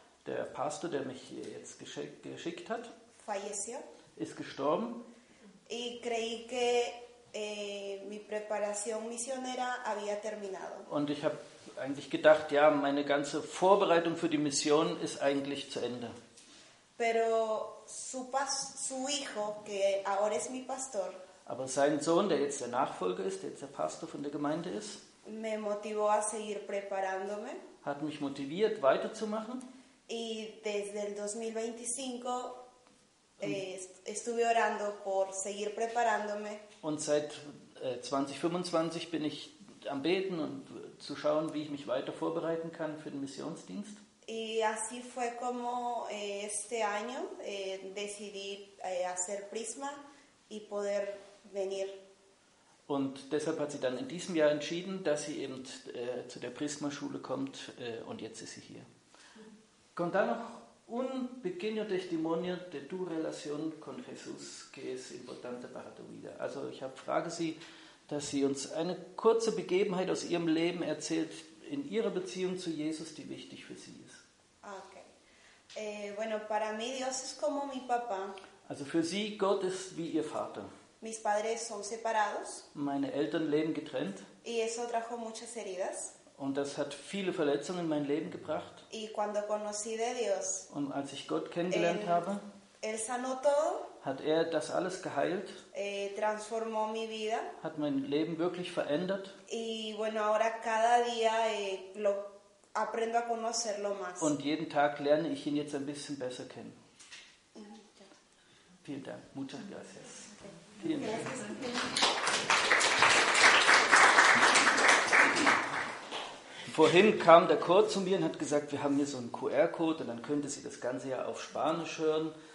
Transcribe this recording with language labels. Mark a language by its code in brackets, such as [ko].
[de] Der Pastor, der mich hier jetzt geschickt hat. [es] Falleció. [de] Ist gestorben. [es] Y creí que mi preparación misionera había terminado. [de] Und ich habe eigentlich gedacht, ja, meine ganze Vorbereitung für die Mission ist eigentlich zu Ende. [es] Pero su hijo, que ahora es mi pastor. [de] Aber sein Sohn, der jetzt der Nachfolger ist, der jetzt der Pastor von der Gemeinde ist, [es] me motivó a seguir preparándome. [de] Hat mich motiviert, weiterzumachen. [es] Y desde el 2025 estuve orando por seguir preparándome. [de] Und seit 2025 bin ich am Beten und zu schauen, wie ich mich weiter vorbereiten kann für den Missionsdienst. [es] Y así fue como este año decidí hacer Prisma y poder venir. [de] Und deshalb hat sie dann in diesem Jahr entschieden, dass sie eben zu der Prisma-Schule kommt und jetzt ist sie hier. Kommt da noch? [es] Un pequeño testimonio de tu relación con Jesús que es importante para tu vida. [de] Also ich frage sie, dass sie uns eine kurze Begebenheit aus ihrem Leben erzählt, in ihrer Beziehung zu Jesus, die wichtig für sie ist. Okay. [es] Bueno, para mí Dios es como mi papá. [de] Also für sie, Gott ist wie ihr Vater. [es] Mis padres son separados. [de] Meine Eltern leben getrennt. [es] Y eso trajo muchas heridas. [de] Und das hat viele Verletzungen in mein Leben gebracht. [es] Y cuando conocí de Dios, [de] und als ich Gott kennengelernt habe, [es] él sanó todo, [de] hat er das alles geheilt, [es] transformó mi vida, [de] hat mein Leben wirklich verändert. [es] Y bueno, ahora cada día, lo aprendo a conocerlo más. [de] Und jeden Tag lerne ich ihn jetzt ein bisschen besser kennen. Ja. Vielen Dank. [es] Muchas gracias. [de] Okay. Vielen Dank. [es] Gracias. [de] Vorhin kam der Chor zu mir und hat gesagt, wir haben hier so einen QR-Code und dann könnte sie das Ganze ja auf Spanisch hören.